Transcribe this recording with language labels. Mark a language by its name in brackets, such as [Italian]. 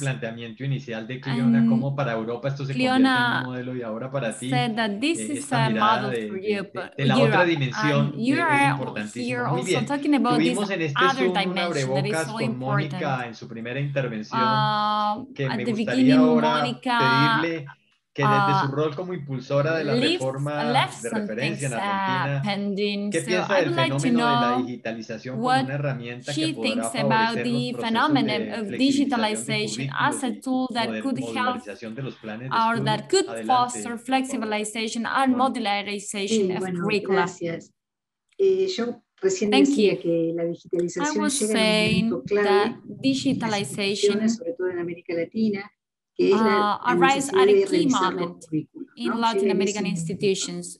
[English] Cleona said that this is a model for Europe. And you are here also talking about this other dimension that is so important. At the beginning, Monica [Spanish] que desde su rol como impulsora de la reforma de referencia en Argentina, ¿qué piensa del fenómeno de la digitalización como una herramienta que podrá favorecer los procesos de flexibilización de currículos y modularización de los planes de estudio? [English] Or that could foster flexibilization and modularization of curricula. [Spanish] Gracias. [English] Thank you. I was saying that digitalization, [Spanish] sobre todo en América Latina, [English] arise at a key moment in Latin American institutions.